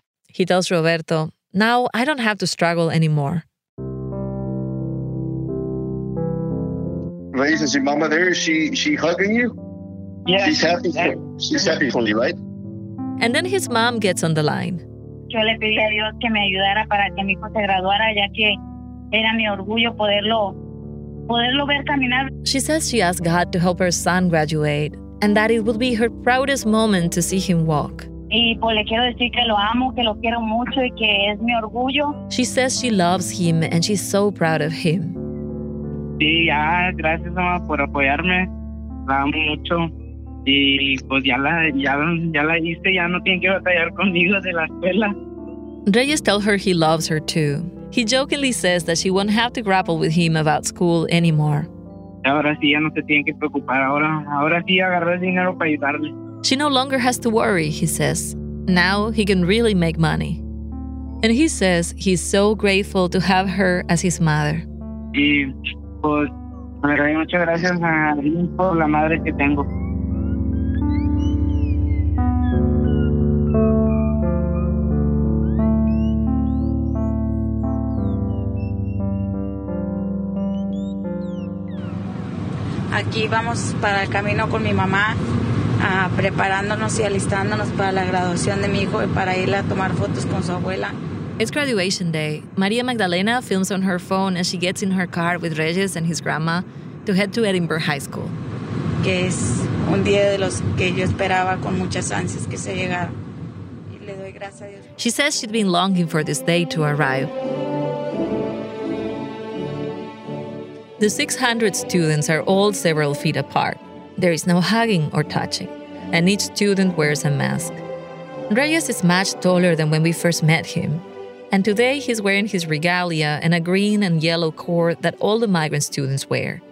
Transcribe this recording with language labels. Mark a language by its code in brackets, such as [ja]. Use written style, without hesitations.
[en] He tells Roberto, now I don't have to struggle anymore. Reyes, is your mama there? Is she hugging you? Yeah. She's happy for you, right? And then his mom gets on the line. [es] Yo le pedí a Dios que me ayudara para que mi hijo se graduara, ya que era mi orgullo poderlo ver caminar. [en] She says she asked God to help her son graduate, and that it would be her proudest moment to see him walk. [es] Y pues le quiero decir que lo amo, que lo quiero mucho, y que es mi orgullo. [en] She says she loves him and she's so proud of him. [es] Sí, ya, gracias mamá por apoyarme. La amo mucho. Y pues ya la hice, ya no tiene que batallar conmigo de la escuela. [en] Reyes tells her he loves her too. He jokingly says that she won't have to grapple with him about school anymore. [es] Ahora sí ya no se tiene que preocupar, ahora sí agarré dinero para ayudarle. [en] She no longer has to worry, he says. Now he can really make money. And he says he's so grateful to have her as his mother. [es] Y pues, muchas gracias a Dios por la madre que tengo. Aquí vamos para el camino con mi mamá, preparándonos y alistándonos para la graduación de mi hijo y para irle a tomar fotos con su abuela. [en] It's graduation day. María Magdalena films on her phone as she gets in her car with Reyes and his grandma to head to Edinburgh High School. [es] Que es un día de los que yo esperaba con muchas ansias que se llegara. Y le doy gracias a Dios. [en] She says she'd been longing for this day to arrive. The 600 students are all several feet apart. There is no hugging or touching, and each student wears a mask. Reyes is much taller than when we first met him, and today he's wearing his regalia and a green and yellow cord that all the migrant students wear.